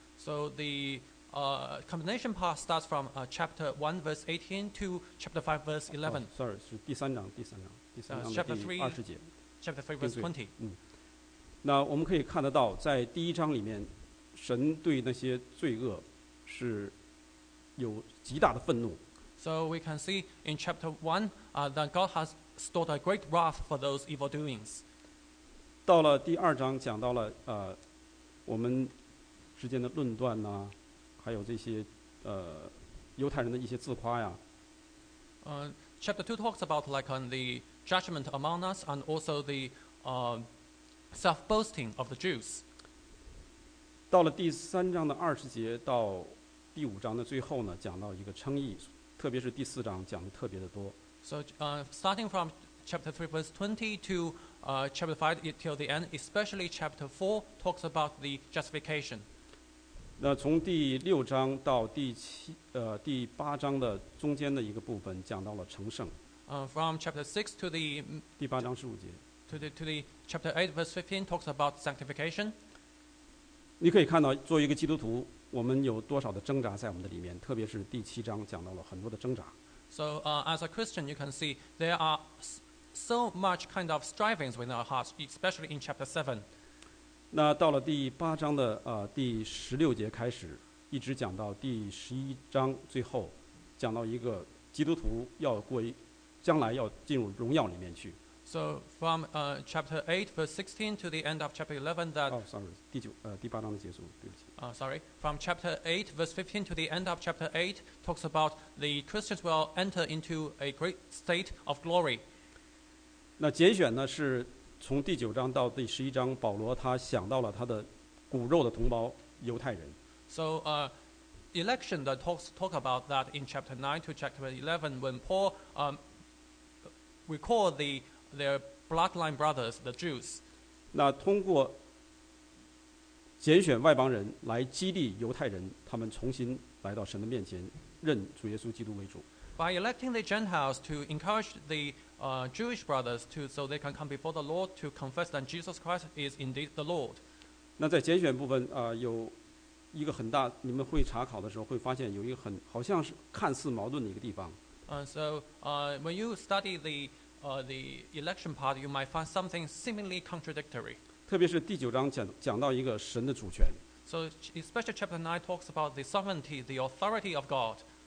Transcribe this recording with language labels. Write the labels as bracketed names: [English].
[English] So the condemnation part starts from chapter 1, verse 18 to chapter 5, verse 11. Sorry, [Chinese] 是第三章 [English] chapter 3, [Chinese] 20节。 [English] Chapter 3, verse 20. [Chinese] 那我们可以看得到，在第一章里面，神对那些罪恶是有极大的愤怒。 [English] So we can see in chapter 1 that God has stored a great wrath for those evil doings. [Chinese] 到了第二章讲到了我们之间的论断呢，还有这些犹太人的一些自夸呀。 [English] Chapter 2 talks about the judgment among us and also the self-boasting of the Jews. [Chinese] 到了第三章的二十节到第五章的最后呢，讲到一个称义，特别是第四章讲的特别的多。 [English] So, starting from chapter 3, verse 20 to chapter 5 till the end, especially chapter 4 talks about the justification. [Chinese] 那从第六章到第八章的中间的一个部分讲到了成圣。 [English] From chapter 6 to the [Chinese] 第八章十五节 [English] to the chapter 8, verse 15 talks about sanctification. [Chinese] 你可以看到，作为一个基督徒，我们有多少的挣扎在我们的里面，特别是第七章讲到了很多的挣扎。 [English] So as a Christian, you can see there are so much kind of strivings within our hearts, especially in chapter 7. [Chinese] 那到了第八章的第十六节开始，一直讲到第十一章最后，讲到一个基督徒要归将来要进入荣耀里面去。 [English] So from chapter 8 verse 16 to the end of chapter 11 [Chinese] 第八章的结束，对不起。 [English] From chapter 8 verse 15 to the end of chapter 8 talks about the Christians will enter into a great state of glory. [Chinese] 那拣选呢，是从第九章到第十一章，保罗他想到了他的骨肉的同胞犹太人。 [English] So election that talk about that in chapter 9 to chapter 11, when Paul recall their bloodline brothers, the Jews. [Chinese] 那通过拣选外邦人来激励犹太人，他们重新来到神的面前，认主耶稣基督为主。 [English] By electing the Gentiles to encourage the Jewish brothers to so they can come before the Lord to confess that Jesus Christ is indeed the Lord. [Chinese] 那在拣选部分啊、有一个很大，你们会查考的时候会发现有一个很好像是看似矛盾的一个地方。 [English] So when you study the election part, you might find something seemingly contradictory. [Chinese] 特别是第九章讲到一个神的主权。 [English] So especially chapter 9 talks about the sovereignty, the authority of God.